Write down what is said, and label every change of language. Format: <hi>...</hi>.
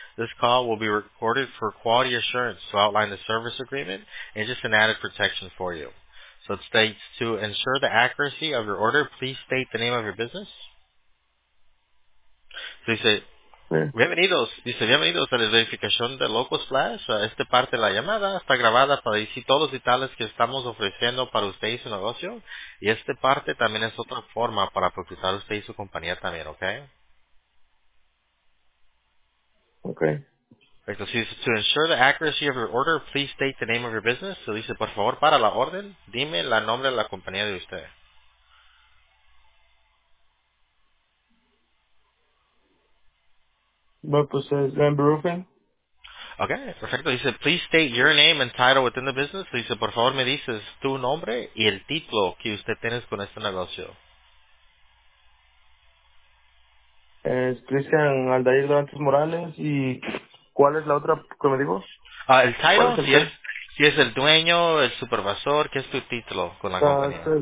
<en>This call will be recorded for quality assurance to outline the service agreement and just an added protection for you. So it states, to ensure the accuracy of your order, please state the name of your business.</en> <es>So dice, yeah. Bienvenidos. Dice, bienvenidos a la verificación de Local Splash. Esta parte de la llamada está grabada para decir todos los detalles que estamos ofreciendo para usted y su negocio. Y esta parte también es otra forma para propiciar usted y su compañía también, ¿okay? Okay. Perfecto.</es> <en>So, to ensure the accuracy of your order, please state the name of your business.</en> <es>So, dice, por favor, para la orden, dime la nombre de la compañía de usted. Bueno, pues es Mbroofing. Okay, perfecto.</es> <en>Dice, please state your name and title within the business.</en> <es>So, dice, por favor, me dices tu nombre y el título que usted tiene con este negocio. Es Cristian Aldair Durantes Morales. ¿Y cuál es la otra que me digo? El title, es el, yes. Si es el dueño, el supervisor, ¿qué es tu título con la compañía?</es>